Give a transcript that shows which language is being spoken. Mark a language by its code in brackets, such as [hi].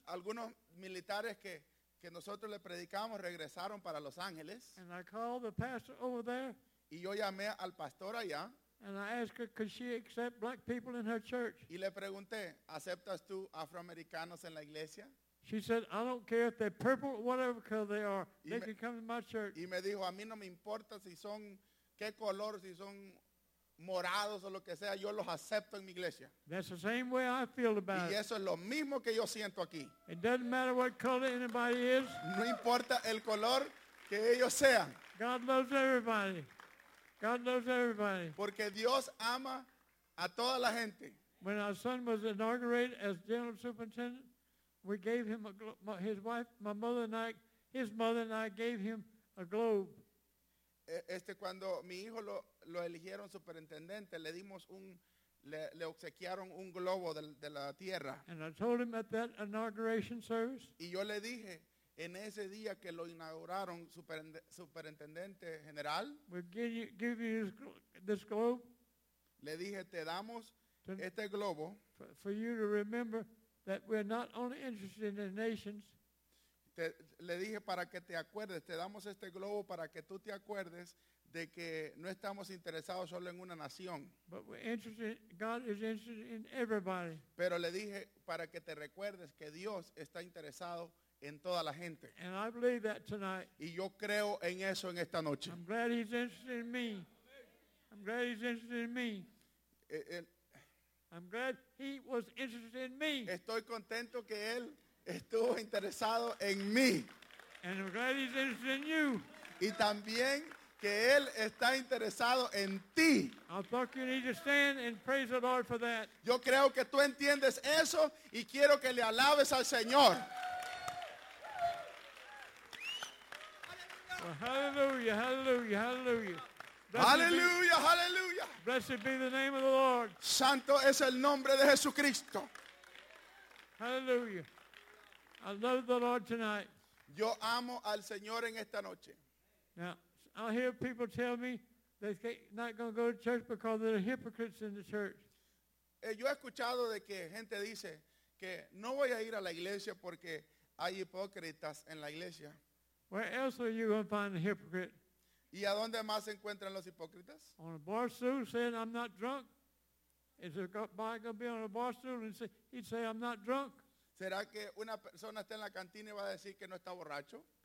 [es] Algunos militares que nosotros le predicamos regresaron para Los Ángeles. [en] And I called the pastor over there. [es] Y yo llamé al pastor allá. [en] And I asked her, could she accept black people in her church? [es] Y le pregunté, ¿aceptas tú afroamericanos en la iglesia? [en] She said, I don't care if they're purple or whatever color they are. They can come to my church. [es] Y me dijo, a mí no me importa si son, qué color, si son morados o lo que sea, yo los acepto en mi iglesia. [en] That's the same way I feel about it. [es] Y eso es lo mismo que yo siento aquí. [en] It doesn't matter what color anybody is. [es] No importa el color que ellos sean. [en] God loves everybody. God loves everybody. [es] Porque Dios ama a toda la gente. [en] When our son was inaugurated as general superintendent, we gave him his mother and I gave him a globe. [es] Cuando mi hijo lo eligieron superintendente, le dimos un, le obsequiaron un globo de la tierra. [en] And I told him at that inauguration service. [es] Y yo le dije en ese día que lo inauguraron superintendente general. [en] We give you this globe. [es] Le dije, te damos este globo. [en] For you to remember that we're not only interested in the nations. [es] Le dije para que te acuerdes, te damos este globo para que tú te acuerdes de que no estamos interesados solo en una nación. [en] But we're interested, God is interested in everybody. [es] Pero le dije para que te recuerdes que Dios está interesado en toda la gente. [en] And I believe that tonight. [es] Y yo creo en eso en esta noche. [en] I'm glad he's interested in me. I'm glad he's interested in me. I'm glad he was interested in me. [es] Estoy contento que él estuvo interesado en mí. [en] And I'm glad he's interested in you. [es] Y también que él está interesado en ti. [en] I think you need to stand and praise the Lord for that. [es] Yo creo que tú entiendes eso y quiero que le alabes al Señor. [en] Well, hallelujah, hallelujah, hallelujah. Blessed hallelujah, be, hallelujah. Blessed be the name of the Lord. [es] Santo es el nombre de Jesucristo. [en] Hallelujah. I love the Lord tonight. [es] Yo amo al Señor en esta noche. [en] Now, I hear people tell me they're not going to go to church because they're hypocrites in the church. [es] Yo he escuchado de que gente dice que no voy a ir a la iglesia porque hay hipócritas en la iglesia. [en] Where else are you going to find a hypocrite? [es] ¿Y a dónde más se encuentran los hipócritas? [en] On a bar stool saying I'm not drunk. Is a guy going to be on a bar stool and say, he'd say I'm not drunk? [es] ¿Será que una persona está en la cantina y va a decir que no está borracho?